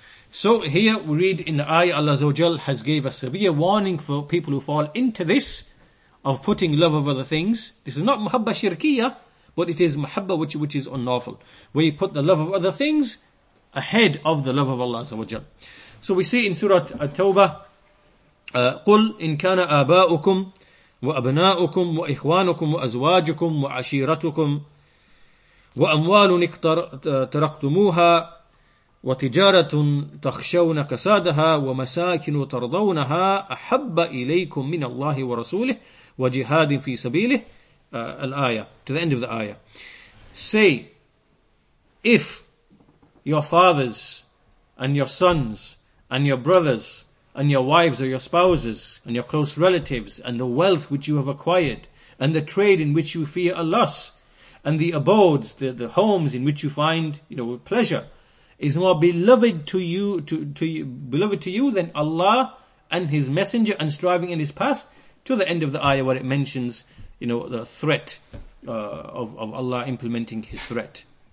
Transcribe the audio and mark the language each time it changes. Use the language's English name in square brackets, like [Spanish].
[English] So here we read in the ayah, Allah Azza wa Jal has gave a severe warning for people who fall into this, of putting love of other things. This is not mahabba shirkiya, but it is mahabba which is unlawful, where you put the love of other things ahead of the love of Allah Azza wa Jal. So we see in Surah At-Tawbah, [Arabic] قُلْ إِن كَانَ آبَاؤُكُمْ وأبناؤكم وإخوانكم وأزواجكم وعشيرتكم وأموال اقترفتموها وتجارة تخشون كسادها ومساكن ترضونها أحب إليكم من الله ورسوله وجهاد في سبيله الآية [English] to the end of the ayah. Say, if your fathers and your sons and your brothers and your wives or your spouses and your close relatives and the wealth which you have acquired and the trade in which you fear a loss and the abodes, the homes in which you find, you know, pleasure is more beloved to you than Allah and His Messenger and striving in His path, to the end of the ayah where it mentions, you know, the threat of Allah implementing His threat.